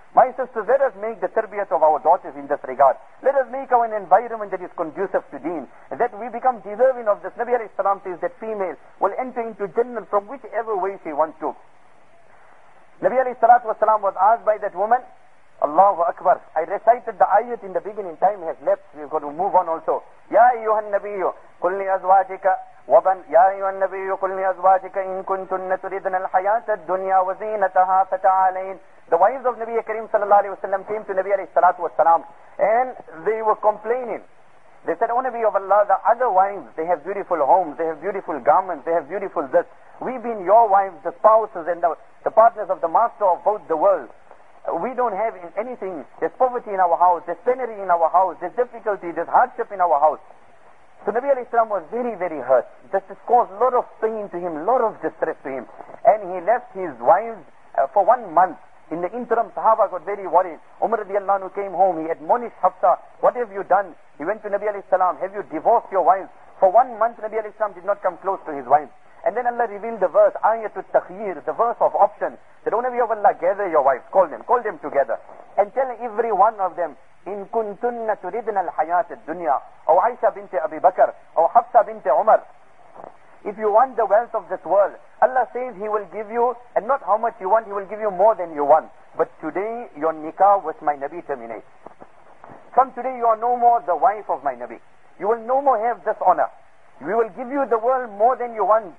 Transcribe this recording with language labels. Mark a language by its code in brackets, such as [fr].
[en] My sisters, let us make the tarbiyat of our daughters in this regard. Let us make our environment that is conducive to deen, that we become deserving of this. Nabi alayhi salam says that female will enter into Jannah from whichever way she wants to. Nabi alayhi salatu wasalam was asked by that woman, Allahu Akbar, I recited the ayat in the beginning, time has left, we've got to move on also. [ar] Ya ayyuhan nabiyyu, kul li azwajika. يا أيها النبي قل لأزواجك إن كنتن تريدن الحياة الدنيا وزينتها فتعالين. [en] The wives of Nabi Kareem sallallahu alayhi wa sallam came to Nabi alayhi salatu wa salam and they were complaining. They said, O Nabi of Allah, the other wives, they have beautiful homes, they have beautiful garments, they have beautiful this. We've been your wives, the spouses and the partners of the master of both the world. We don't have anything. There's poverty in our house, there's penury in our house, there's difficulty, there's hardship in our house. So Nabi alayhi salam was very, very hurt. This caused a lot of pain to him, a lot of distress to him. And he left his wives for 1 month. In the interim, Sahaba got very worried. Umar radiallahu anhu came home, he admonished Hafsa, what have you done? He went to Nabi alayhi salam, have you divorced your wives? For 1 month, Nabi alayhi salam did not come close to his wives. And then Allah revealed the verse, Ayatul Takhir, the verse of option, that O Nabi of Allah, gather your wives, call them together. And tell every one of them, [ar] إِن كُنْتُنَّ تُرِدْنَ الْحَيَاةِ الدُّنْيَا أو عائشة بنت أبي بكر أو حفصة بنت عمر. [en] If you want the wealth of this world, Allah says He will give you, and not how much you want, He will give you more than you want. But today your nikah with my Nabi terminates. From today you are no more the wife of my Nabi. You will no more have this honor. We will give you the world more than you want.